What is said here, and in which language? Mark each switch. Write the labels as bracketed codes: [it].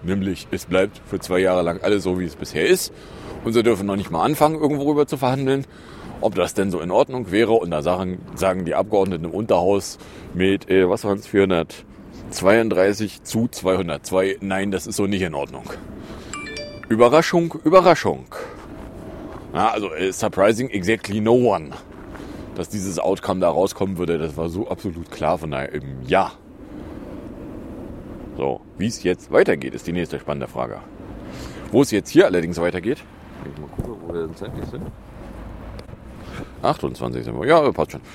[de] Nämlich, es bleibt für 2 Jahre lang alles so, wie es bisher ist. Und sie dürfen noch nicht mal anfangen, irgendwo rüber zu verhandeln, ob das denn so in Ordnung wäre. Und da sagen die Abgeordneten im Unterhaus mit, 432 zu 202, nein, das ist so nicht in Ordnung. Überraschung, Überraschung. [en] Na, also, surprising exactly no one. [de] Dass dieses Outcome da rauskommen würde, das war so absolut klar, von daher eben ja. So, wie es jetzt weitergeht, ist die nächste spannende Frage. Wo es jetzt hier allerdings weitergeht. Ich mal gucken, wo wir denn zeitlich sind. 28 sind wir, ja, passt schon.